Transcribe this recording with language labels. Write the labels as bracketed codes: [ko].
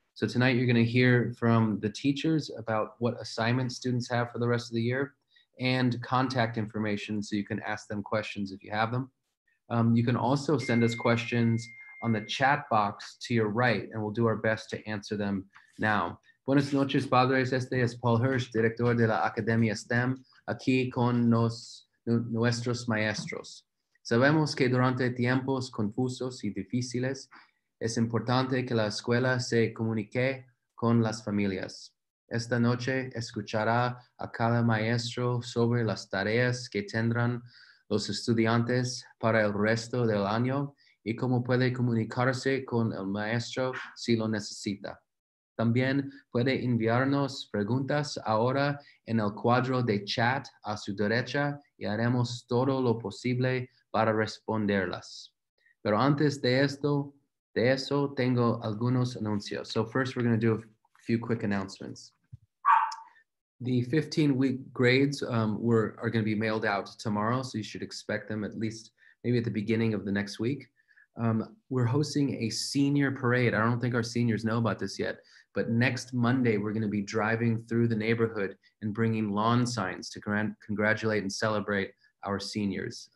[en] So tonight you're gonna hear from the teachers about what assignments students have for the rest of the year and contact information so you can ask them questions if you have them. You can also send us questions on the chat box to your right, and we'll do our best to answer them now. [es] Buenas noches, padres. Este es Paul Hirsch, director de la Academia STEM, aquí con nuestros maestros. Sabemos que durante tiempos confusos y difíciles es importante que la escuela se comunique con las familias. Esta noche escuchará a cada maestro sobre las tareas que tendrán los estudiantes para el resto del año y cómo puede comunicarse con el maestro si lo necesita. También puede enviarnos preguntas ahora en el cuadro de chat a su derecha y haremos todo lo posible para responderlas. Pero antes de eso, tengo algunos anuncios. [en] So first we're going to do a few quick announcements. The 15-week grades are going to be mailed out tomorrow, so you should expect them at least maybe at the beginning of the next week. We're hosting a senior parade. I don't think our seniors know about this yet, but next Monday we're going to be driving through the neighborhood and bringing lawn signs to congratulate and celebrate our seniors.